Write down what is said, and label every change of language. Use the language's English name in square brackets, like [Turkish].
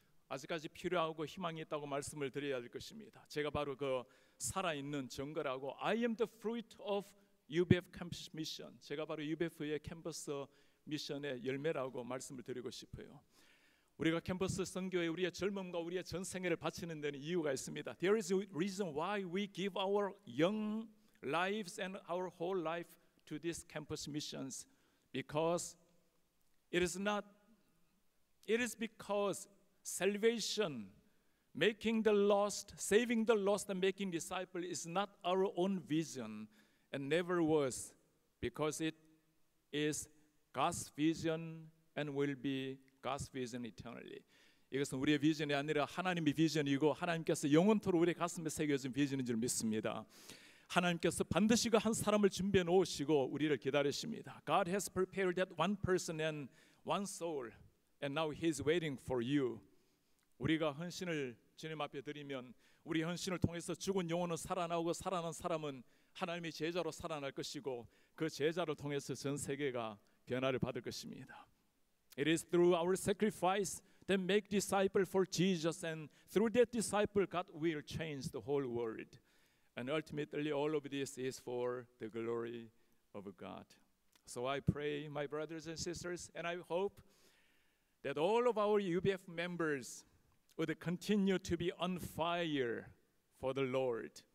[Korean] 아직까지 필요하고 희망이 있다고 말씀을 드려야 될 것입니다. 제가 바로 그 살아있는 증거라고, [English] I am the fruit of UBF campus mission. [Korean] 제가 바로 UBF의 캠퍼스 미션의 열매라고 말씀을 드리고 싶어요. 우리가 캠퍼스 선교에 우리의 젊음과 우리의 전 생애를 바치는 데는 이유가 있습니다. [English] There is a reason why we give our young lives and our whole life to these campus missions, because it is because salvation, making the lost, saving the lost and making disciples is not our own vision and never was, because it is God's vision and will be God's vision eternally. [Korean] 이것은 우리의 비전이 아니라 하나님의 비전이고 하나님께서 영원토록 우리 가슴에 새겨진 비전인 줄 믿습니다. 하나님께서 반드시 그 한 사람을 준비해 놓으시고 우리를 기다리십니다. [English] God has prepared that one person and one soul, and now he is waiting for you. [Korean] 우리가 헌신을 주님 앞에 드리면 우리 헌신을 통해서 죽은 영혼은 살아나오고 살아난 사람은 하나님의 제자로 살아날 것이고 그 제자를 통해서 전 세계가 변화를 받을 것입니다. [English] It is through our sacrifice that make disciples for Jesus, and through that disciple, God will change the whole world. And ultimately, all of this is for the glory of God. So I pray, my brothers and sisters, and I hope that all of our UBF members would continue to be on fire for the Lord.